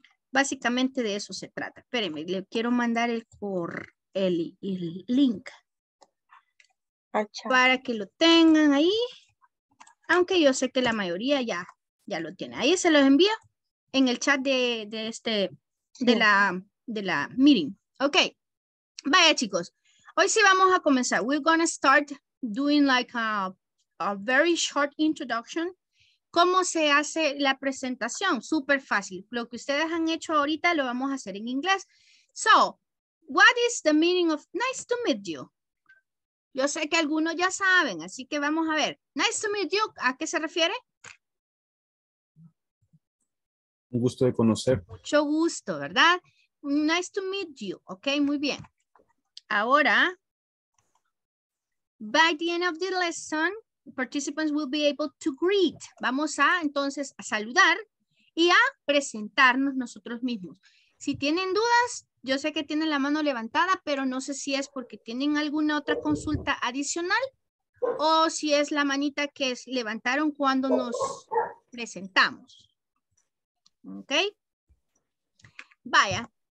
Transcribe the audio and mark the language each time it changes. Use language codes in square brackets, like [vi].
[es] Básicamente de eso se trata. Espéreme, le quiero mandar el link. Achá. Para que lo tengan ahí. Aunque yo sé que la mayoría ya lo tiene. Ahí se los envío en el chat de la meeting. Ok. Vaya, chicos. Hoy sí vamos a comenzar. [en] We're going to start doing like a very short introduction. [es] ¿Cómo se hace la presentación? Súper fácil. Lo que ustedes han hecho ahorita lo vamos a hacer en inglés. [en] So, what is the meaning of nice to meet you? [es] Yo sé que algunos ya saben, así que vamos a ver. [en] Nice to meet you. [es] ¿A qué se refiere? Un gusto de conocer. Mucho gusto, ¿verdad? [en] Nice to meet you. [es] Ok, muy bien. [en] Ahora, by the end of the lesson, participants will be able to greet. [es] Vamos a, entonces, a saludar y a presentarnos nosotros mismos. Si tienen dudas, yo sé que tienen la mano levantada, pero no sé si es porque tienen alguna otra consulta adicional o si es la manita que levantaron cuando nos presentamos. ¿Ok? Vaya.